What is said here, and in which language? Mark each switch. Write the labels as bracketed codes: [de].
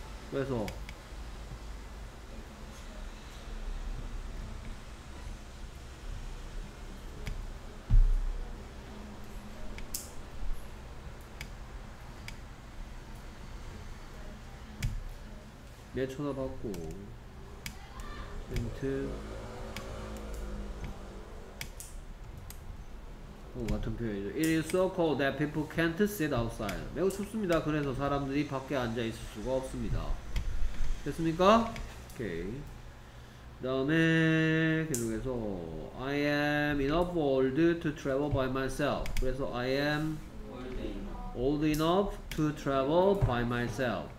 [ko] 그래서 내 전화 받고 엔트 어, 같은 표현이죠. [en] It is so cold that people can't sit outside. [ko] 매우 춥습니다. 그래서 사람들이 밖에 앉아 있을 수가 없습니다. 됐습니까? 오케이. 그 다음에 계속해서 [en] I am enough old to travel by myself. [ko] 그래서 [en] I am old enough to travel by myself.